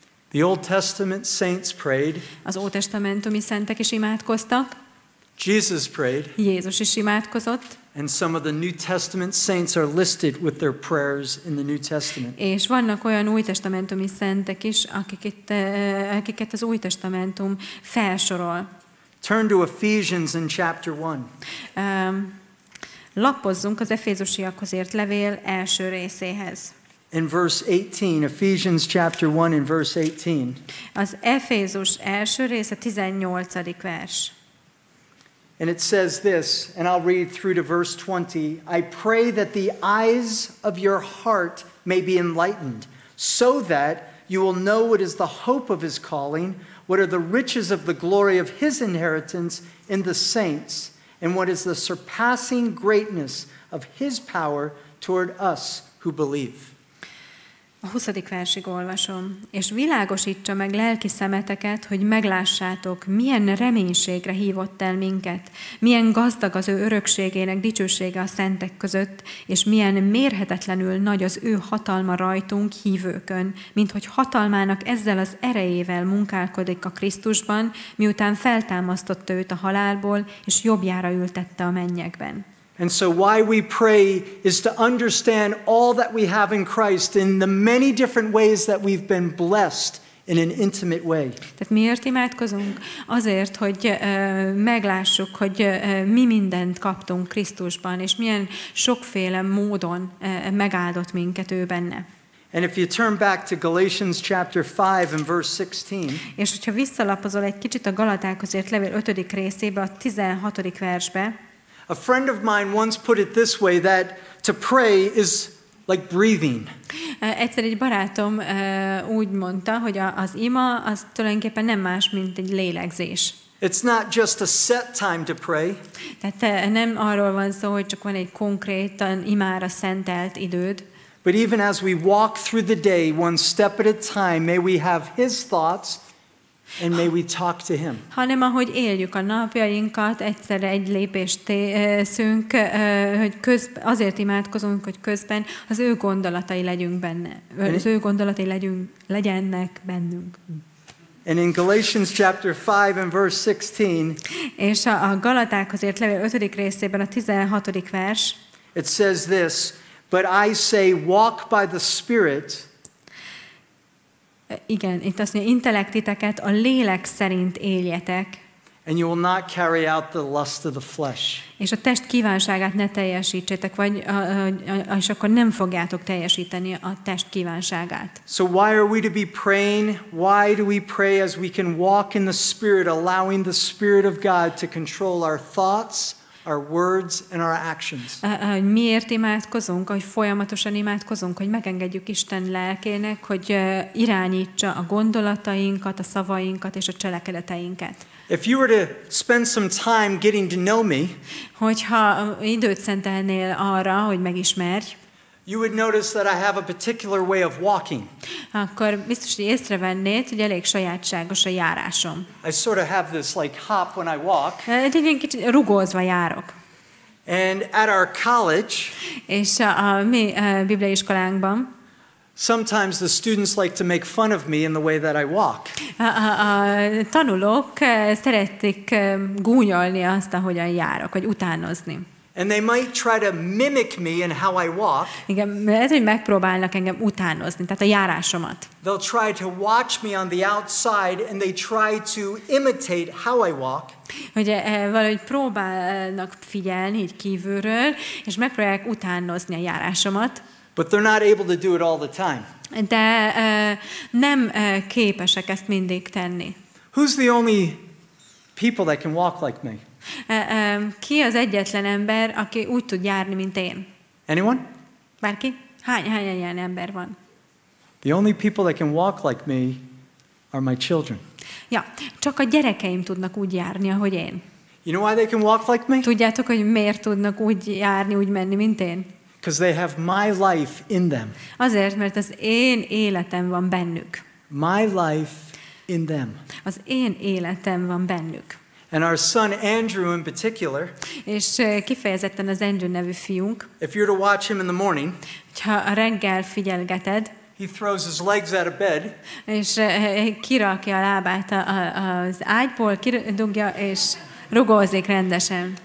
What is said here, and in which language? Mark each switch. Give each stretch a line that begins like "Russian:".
English: The Old Testament saints prayed.
Hungarian: Az ótestamentumi szentek is imádkoztak.
English: Jesus prayed.
Hungarian: Jézus is imádkozott.
English: And some of the New Testament saints are listed with their prayers in the New Testament.
Hungarian: És vannak olyan új testamentumi szentek is, akiket az új testamentum felsorol.
English: Turn to Ephesians in chapter 1.
Hungarian: Lapozzunk az Efézusiakhoz írt levél első részéhez.
English: In verse 18, Ephesians chapter 1 in verse 18.
Hungarian: Az Efézus első része 18. vers.
English: And it says this, and I'll read through to verse 20. I pray that the eyes of your heart may be enlightened, so that you will know what is the hope of his calling, what are the riches of the glory of his inheritance in the saints, and what is the surpassing greatness of his power toward us who believe.
Hungarian: A 20. versig olvasom. És világosítsa meg lelki szemeteket, hogy meglássátok, milyen reménységre hívott el minket, milyen gazdag az ő örökségének dicsősége a szentek között, és milyen mérhetetlenül nagy az ő hatalma rajtunk hívőkön, minthogy hatalmának ezzel az erejével munkálkodik a Krisztusban, miután feltámasztotta őt a halálból, és jobbjára ültette a mennyekben.
English: And so why we pray is to understand all that we have in Christ in the many different ways that we've been blessed in an intimate way.
Hungarian: Tehát miért imádkozunk? Azért, hogy meglássuk, hogy mi mindent kaptunk Krisztusban, és milyen sokféle módon megáldott minket ő benne.
English: And if you turn back to Galatians chapter 5 and verse 16.
Hungarian: És hogyha visszalapozol egy kicsit a Galatákhoz írt levél 5. részébe, a 16. versbe.
English: A friend of mine once put it this way, that to pray is like breathing.
Hungarian: Egyszer egy barátom úgy mondta, hogy az ima az tulajdonképpen nem más, mint egy lélegzés.
English: It's not just a set time to pray.
Hungarian: Tehát nem arról van szó, hogy csak van egy konkrétan imára szentelt időd.
English: But even as we walk through the day, one step at a time, may we have his thoughts and may we talk to him.
Hungarian: Hanem ahogy éljük a napjainkat, egyszerre egy lépést teszünk, hogy azért imádkozunk, hogy közben az ő gondolatai legyünk benne, az ő gondolatai legyenek bennünk.
English: And in Galatians chapter 5 and verse 16,
Hungarian: és a Galatákhoz írt levél 5. részében a 16. vers,
English: it says this, but I say walk by the Spirit.
Hungarian: Igen, itt azt mondja, intellektiteket a lélek szerint éljetek.
English: And you will not carry out the lust of the flesh.
Hungarian: És a test kívánságát ne teljesítsétek, vagy és akkor nem fogjátok teljesíteni a test kívánságát.
English: So why are we to be praying? Why do we pray as we can walk in the Spirit, allowing the Spirit of God to control our thoughts, our words and our actions?
Hungarian: Miért imádkozunk, hogy folyamatosan imádkozunk, hogy megengedjük Isten lelkének, hogy irányítsa a gondolatainkat, a szavainkat és a cselekedeteinket.
English: If you were to spend some time getting to know me,
Hungarian: hogyha időt szentelnél arra, hogy megismerj,
English: you would notice that I have a particular way of walking.
Hungarian: Akkor biztos, hogy észrevennéd, hogy elég sajátságos a járásom.
English: I sort of have this like hop when I walk.
Hungarian: Egy kicsit rugózva járok.
English: And at our college,
Hungarian: és a mi bibliai iskolánkban,
English: sometimes the students like to make fun of me in the way that I walk.
Hungarian: A tanulók szeretik gúnyolni azt, ahogyan járok, vagy utánozni.
English: And they might try to mimic me in how I walk.
Hungarian: Igen, lehet, hogy megpróbálnak engem utánozni, tehát a járásomat.
English: They'll try to watch me on the outside and they try to imitate how I walk.
Hungarian: Ugye, valahogy próbálnak figyelni így kívülről, és megpróbálják utánozni a járásomat.
English: But they're not able to do it all the time.
Hungarian: De nem képesek ezt mindig tenni.
English: Who's the only people that can walk like me?
Hungarian: Ki az egyetlen ember, aki úgy tud járni, mint én?
English: Anyone?
Hungarian: Bárki? Hány ilyen ember van?
English: The only people that can walk like me are my children.
Hungarian: Ja, csak a gyerekeim tudnak úgy járni, ahogy én.
English: You know why they can walk like me?
Hungarian: Tudjátok, hogy miért tudnak úgy járni, úgy menni, mint én?
English: Because they have my life in them.
Hungarian: Azért, mert az én életem van bennük.
English: My life in them.
Hungarian: Az én életem van bennük.
English: And our son Andrew in particular.
Hungarian: És kifejezetten az Andrew nevű fiunk.
English: If you're to watch him in the morning,
Hungarian: ha a reggel figyelgeted,
English: he throws his legs out of bed.
Hungarian: És kirakja a lábát az ágyból, kidugja és rugózik rendesen.